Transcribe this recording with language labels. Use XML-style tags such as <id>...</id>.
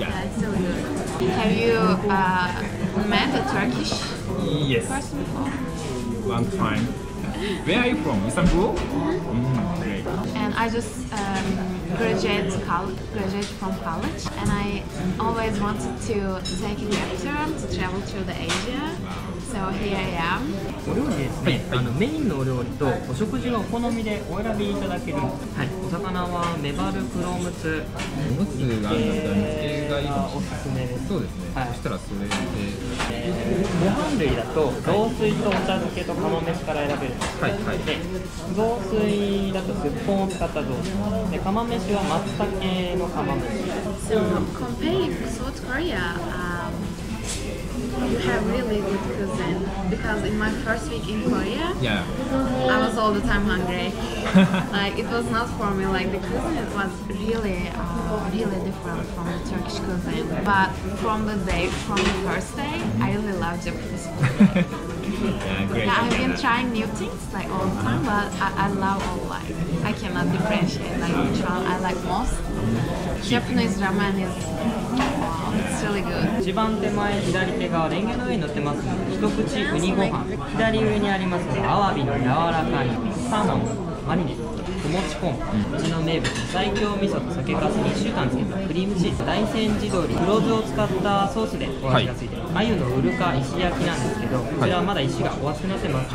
<en>Yeah, it's still good. Have you met a Turkish person before? Long time. Where are you from? Istanbul? Mm-hmm. Mm, great. And I just graduated from college, and I always wanted to take a gap year to travel through the Asia. So here I am.</en> <ja>お料理ですね、はい、メインのお料理とお食事のお好みでお選びいただける、はい、お魚はメバル、クロムツ、クロムツがあるんだったら煮付けがいいおすすめです。そうですね、はい、そしたらそれで、ご飯類だと雑炊とお茶漬けと釜飯から選べる。はいはい。で、雑炊だとすっぽんを使った雑炊で、釜飯は松茸の釜飯。</ja> <en>So, comparing South Korea, you have really good cuisine, because in my first week in Korea, yeah, I was all the time hungry. Like, it was not for me. Like, the cuisine was really really different from the Turkish cuisine. But from the day, from the first day, I really loved Japanese food. Yeah, I've been trying new things like all the time, but I love all, like, I cannot differentiate like which one I like most. Japanese ramen is, wow, it's really good.</en> <ja>一番手前左手側レンゲの上に乗ってますので、一口ウニご飯、左上にありますアワビの柔らかいサーモン、マリネ、小餅粉、うちの名物最強味噌と酒粕に1週間漬けたクリームチーズ、大山地鶏、黒酢を使ったソースでお味がついてる、はい、鮎のウルカ石焼きなんですけど、こちらはまだ石がお厚くなってますので、</ja>